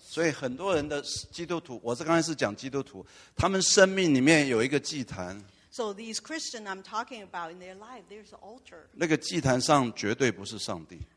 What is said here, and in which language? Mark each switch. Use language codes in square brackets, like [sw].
[zh] 所以很多人的基督徒，我是刚才是讲基督徒，他们生命里面有一个祭坛。 [en] So these Christians I'm talking about in their life, there's an altar. [zh] 那个祭坛上绝对不是上帝。